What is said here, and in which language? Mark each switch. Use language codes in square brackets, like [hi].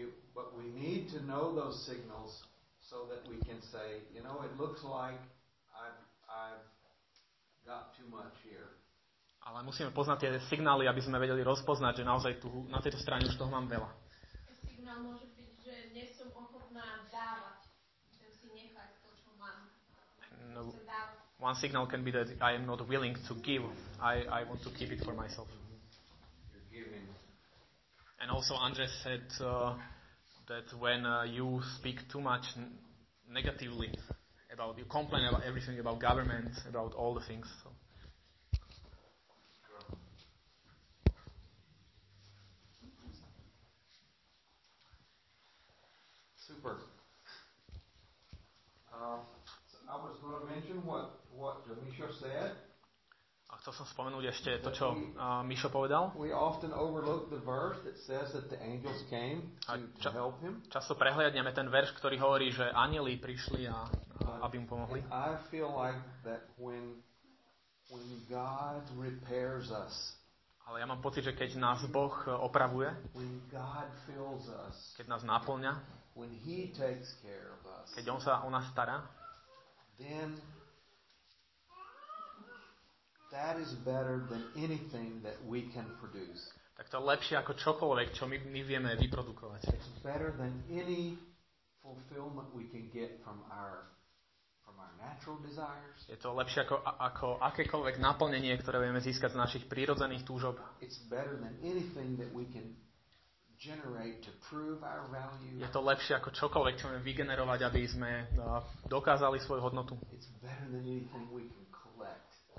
[en] But we need to know those signals so that we can say, you know, it looks like I've got too much here. [sk] Ale musíme poznať tie signály, aby sme vedeli rozpoznať, že naozaj tu na tejto strane už toho mám veľa. Signál môže byť, že nie som ochotná dávať. Chcem si nechať to, čo mám. [en] No, one signal can be that I am not willing to give. I want to keep it for myself. And also Andres said that when you speak too much negatively about, you complain about everything, about government, about all the things. So. Super. So I was going to mention what Misha said. [sk] A chcel som spomenúť ešte to, čo Mišo povedal. [en] We often overlook the verse that says that the angels came to help him. [sk] Často prehliadneme ten verš, ktorý hovorí, že anjeli prišli a aby mu pomohli. [en] I feel like that when God repairs us. [sk] Ale ja mám pocit, že keď nás Boh opravuje, [en] when God fills us, [sk] keď nás naplňa, [en] when he takes care of us, [sk] keď on sa o nás stará, [en] then that is better than anything that we can produce. [sk] Tak to je lepšie ako čokoľvek, čo my vieme vyprodukovať. [en] It's better than any fulfillment we can get from our natural desires. [sk] Je to lepšie ako akékoľvek naplnenie, ktoré vieme získať z našich prírodzených túžob. [en] It's better than anything that we can generate to prove our value. [sk] Je to lepšie ako čokoľvek, čo vieme vygenerovať, aby sme dokázali svoju hodnotu. [en] It's better than anything we can collect.